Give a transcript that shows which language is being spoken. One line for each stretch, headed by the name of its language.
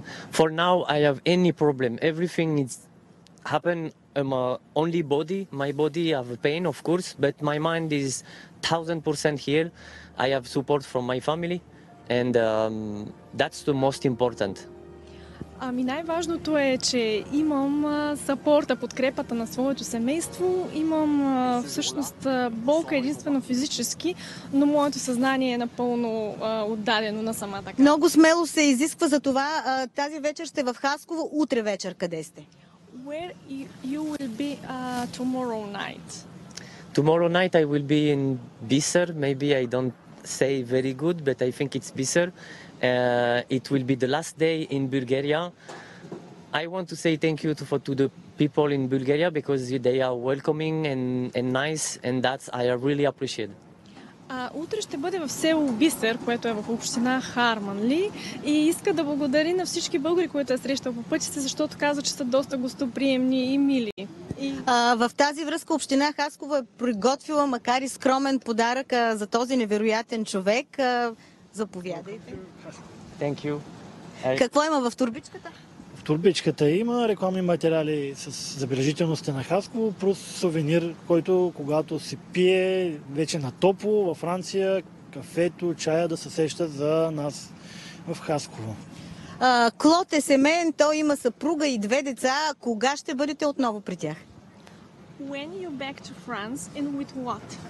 English: For now, I have any problem. Everything is happen. Only body. My body have pain, of course, but my mind is 1000% here. I have support from my family. And that's the most important.
Bulgarian: Ами най-важното е, че имам сапорта, подкрепата на своето семейство. Имам всъщност болка единствено физически, но моето съзнание е напълно отдадено на самата карта. Много смело се изисква за това. Тази вечер сте в Хасково. Утре вечер къде сте? Where you will be tomorrow night?
English: Tomorrow night I will be in Bisser. Maybe I don't say very good, but I think it's Bisser. It will be the last day in Bulgaria. I want to say thank you to the people in Bulgaria because they are welcoming and nice, and that I really appreciate.
Bulgarian: Утре ще бъде в село Бисер, което е в община Харманли, и иска да благодари на всички българи, които е срещал по пътя си, защото казва, че са доста гостоприемни и мили. В тази връзка община Хасково е приготвила, макар и скромен подарък за този невероятен човек. Заповядайте.
English: Thank you.
Bulgarian: Какво има в турбичката? В турбичката има рекламни материали с забележителности на Хасково, плюс сувенир, който когато се пие вече на топло във Франция, кафето, чая да се сеща за нас в Хасково. Клод е семеен, той има съпруга и две деца. Кога ще бъдете отново при тях?
English: When you back to France and with what?